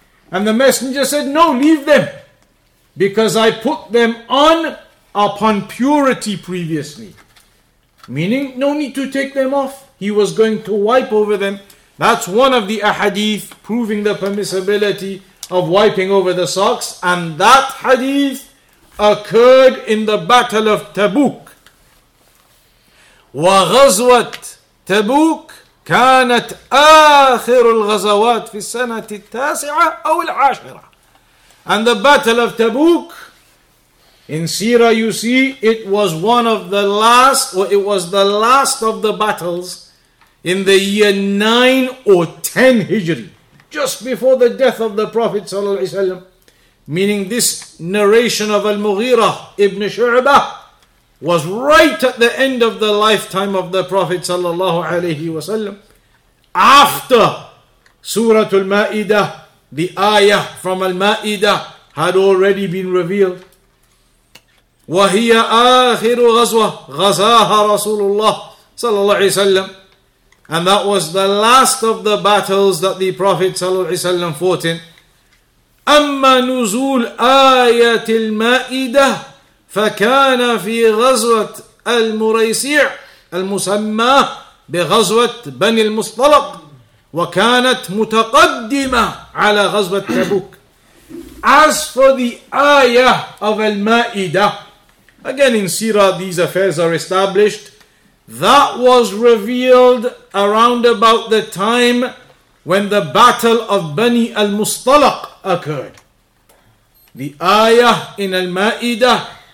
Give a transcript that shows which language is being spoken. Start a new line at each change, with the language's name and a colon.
English: And the messenger said, no, leave them, because I put them on upon purity previously. Meaning, no need to take them off. He was going to wipe over them. That's one of the ahadith proving the permissibility of wiping over the socks. And that hadith occurred in the Battle of Tabuk.
Arabic: Wa ghazwat Tabuk كانت آخر الغزوات في السنة التاسعة أو العاشرة.
English: And the Battle of Tabuk, in Sirah you see, it was one of the last, or it was the last of the battles in the year 9 or 10 Hijri, just before the death of the Prophet sallallahu alaihi wasallam. Meaning this narration of Al-Mughirah ibn Shu'bah was right at the end of the lifetime of the Prophet sallallahu alaihi wasallam, after Surah Al-Ma'idah, the ayah from Al-Ma'idah had already been revealed.
Arabic: وَهِيَ آخِرُ غَزْوَةٍ غَزَاهَا رَسُولُ اللَّهِ صَلَّى اللَّهُ عَلَيْهِ وَسَلَّمَ.
English: And that was the last of the battles that the Prophet صلى الله عليه وسلم fought in.
Arabic: أَمَّا نُزُولُ آيَةِ الْمَائِدَةِ فَكَانَ فِي غَزْوَةِ الْمُرَيْسِيعِ الْمُسَمَّاهِ بغزوة بني المصطلق وكانت متقدمة على غزوة تبوك.
English: As for the ayah of Al-Ma'idah, again in Sirah these affairs are established, that was revealed around about the time when the battle of Bani al-Mustalaq occurred. The ayah in Al-Ma'idah